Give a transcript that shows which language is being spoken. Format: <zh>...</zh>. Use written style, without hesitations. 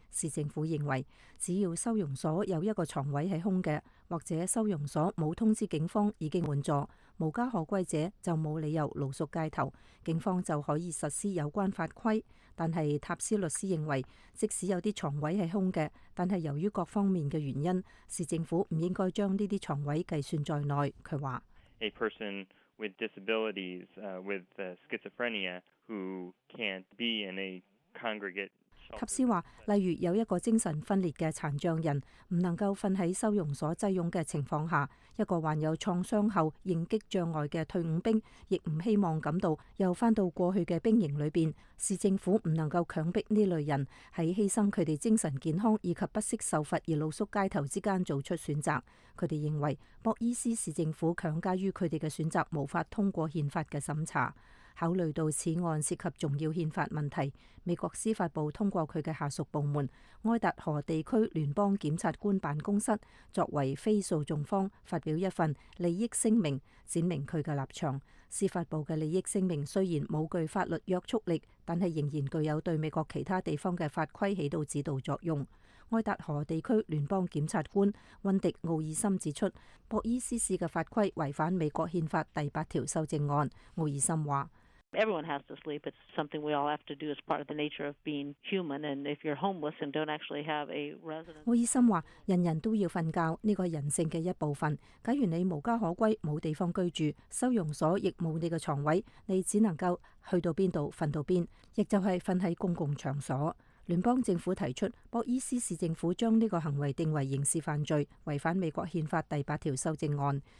<zh>市政府认为，只要收容所有一个床位是空的，或者收容所没有通知警方已经满座，无家可归者就没有理由露宿街头，警方就可以实施有关法规。但是塔斯律师认为，即使有些床位是空的，但是由于各方面的原因，市政府不应该将这些床位计算在内。他说</zh> <en>A person with disabilities, with schizophrenia, who can't be in a congregate</en> <zh>塔斯说，例如有一个精神分裂的残障人，不能够睡在收容所挤拥的情况下，一个患有创伤后应激障碍的退伍兵亦不希望感到又回到过去的兵营里面。市政府不能够强迫这类人在牺牲他们精神健康以及不惜受罚而露宿街头之间做出选择。他们认为博伊斯市政府强加于他们的选择无法通过宪法的审查。考虑到此案涉及重要宪法问题，美国司法部通过他的下属部门爱达荷地区联邦检察官办公室作为非诉讼方发表一份利益声明，展明他的立场。司法部的利益声明虽然无具法律约束力，但是仍然具有对美国其他地方的法规起到指导作用。爱达荷地区联邦检察官温迪奥尔森指出，博伊斯市的法规违反美国宪法第八条修正案。奥尔森说，</zh> <en>Everyone has to sleep. It's something we all have to do as part of the nature of being human. And if you're homeless and don't actually have a residence.</en> <zh>奥尔森说，人人都要睡觉，这个人性的一部分。假如你无家可归，没地方居住，收容所亦没你的床位，你只能够去到哪里睡到哪里，亦就是睡在公共场所。联邦政府提出，博伊斯市政府将这个行为定为刑事犯罪，违反美国宪法第八条修正案。</zh>